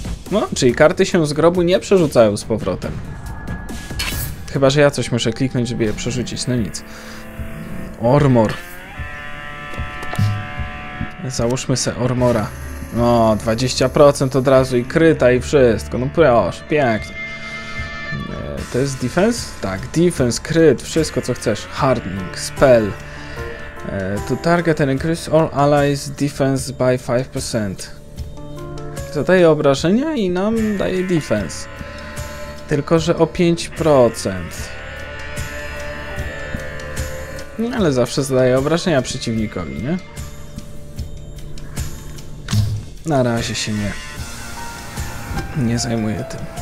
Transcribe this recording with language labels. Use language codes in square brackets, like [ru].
[pl] No, czyli karty się z grobu nie przerzucają z powrotem. Chyba, że ja coś muszę kliknąć, żeby je przerzucić. No nic. Armor. Załóżmy se armora. No, 20% od razu i kryta i wszystko. No proszę, pięknie. To jest defense? Tak, defense, kryt, wszystko co chcesz. [en] Hardening, spell. To target and increase all allies defense by 5%. [pl] Zadaje obrażenia i nam daje defense. Tylko, że o 5%. No, ale zawsze zadaje obrażenia przeciwnikowi, nie? Na razie się nie zajmuję tym.